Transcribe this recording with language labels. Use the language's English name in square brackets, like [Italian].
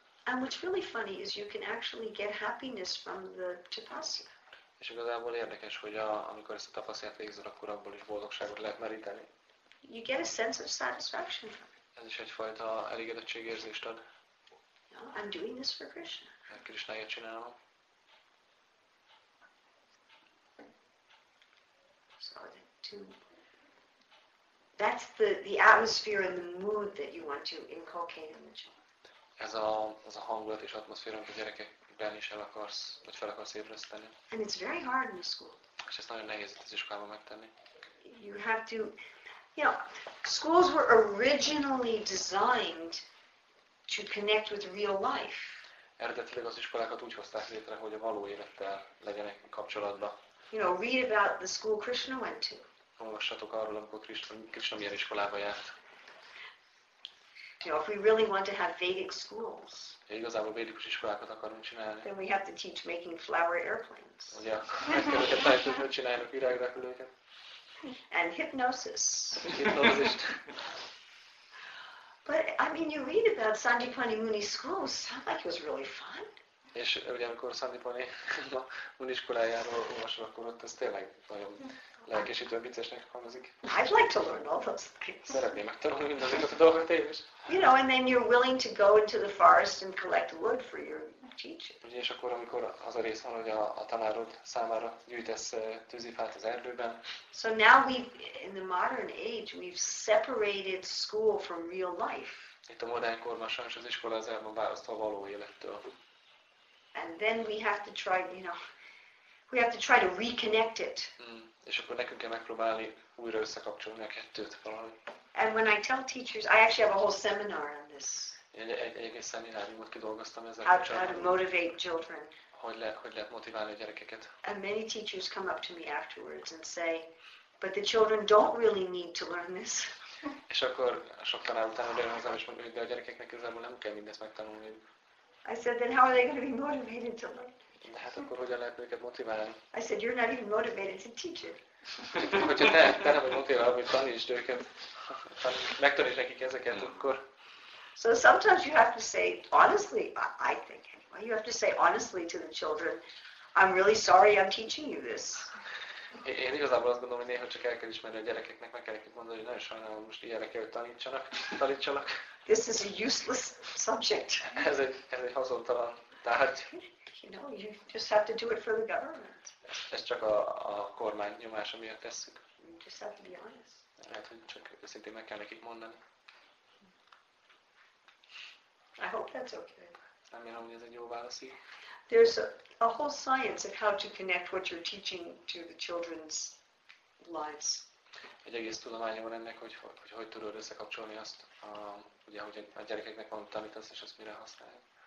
[English] And what's really funny is you can actually get happiness from the tapasya. [Hungarian] És igazából érdekes, hogy amikor ezt a tapasztalat végzel, akkor abból is boldogságot lehet meríteni. [English] You get a sense of satisfaction from it. [Hungarian] Ez is egyfajta elégedettségérzést ad. [English] No, I'm doing this for Krishna. [Hungarian] Mert Krishnáért csinálom. [English] So that's the atmosphere and the mood that you want to inculcate in the children. [Hungarian] Ez a az a hangulat és atmoszféra, amit a gyerekekben is el akarsz, vagy fel akarsz ébreszteni. [English] And it's very hard in the school. [Hungarian] És ez nagyon nehéz az iskolában megtenni. [English] You have to, you know, schools were originally designed to connect with real life. [Hungarian] eredetileg az iskolákat úgy hozták létre, hogy a való élettel legyenek kapcsolatban. [English] You know, read about the school Krishna went to. [Hungarian] Olvassatok arról, amikor Krishna milyen iskolába járt. [English] You know, if we really want to have Vedic schools, [Hungarian] ja, igazából védikus iskolákat akarunk csinálni, [English] then we have to teach making flower airplanes. [Hungarian] Ugye, akkor meg kell, hogy a tájtőt csinálnak virágrepülőket. [English] And hypnosis. Hypnosis. But I mean, you read about Sandipani Muni's school. Sound like it was really fun. [Hungarian] És ugye amikor Sandipani Muni iskolájáról olvasol, akkor ott ez tényleg nagyon lelkesítően viccesnek hangzik. [English] I'd like to learn all those things. [Hungarian] Szeretném megtanulni mindazokat a dolgokat én is. [English] You know, and then you're willing to go into the forest and collect wood for your teacher. [Hungarian] Ugye, és akkor amikor az a rész van, hogy a tanárod számára gyűjtesz tűzifát az erdőben. [English] So now we've, in the modern age, we've separated school from real life. [Hungarian] Itt a modern korban sajnos az iskola az el van választva a való élettől. [English] And then we have to try, you know, we have to try to reconnect it. [Hungarian] És akkor nekünk kell megpróbálni újra összekapcsolni a kettőt valahogy. [English] And when I tell teachers, I actually have a whole seminar on this. [Hungarian] Egész szemináriumot kidolgoztam ezzel a kapcsolatban. [English] How to motivate children. [Hungarian] Hogy lehet motiválni a gyerekeket. [English] And many teachers come up to me afterwards and say, but the children don't really need to learn this. [Hungarian] És akkor sok tanár után jön hozzám és mondja, hogy de a gyerekeknek igazából nem kell mindezt megtanulni. [English] I said, then how are they going to be motivated to learn? [Hungarian] De hát akkor hogyan lehet őket motiválni? [English] I said, you're not even motivated to teach it. [Hungarian] Hogyha te nem vagy motiválva, hogy tanítsd őket, megtanítsd nekik ezeket, akkor... [English] So sometimes you have to say, honestly, I think anyway, you have to say honestly to the children, I'm really sorry I'm teaching you this. [Hungarian] Én igazából azt gondolom, hogy néha csak el kell ismerni a gyerekeknek, meg kell nekik mondani, hogy nagyon sajnálom, most ilyenre kell, hogy tanítsalak. [English] This is a useless subject. [Hungarian] Ez egy haszontalan tárgy. [English] You know, you just have to do it for the government. [Hungarian] Ez csak a kormány nyomása miatt tesszük. [English] You just have to be honest. [Hungarian] Lehet, hogy csak őszintén meg kell nekik mondani. [English] I hope that's okay. [Hungarian] Remélem, hogy ez egy jó válasz. [English] There's a whole science of how to connect what you're teaching to the children's lives. [Hungarian] Egy egész tudománya van ennek, hogy tudod összekapcsolni azt, ugye, hogy a gyerekeknek van, tanítasz, és azt mire használják.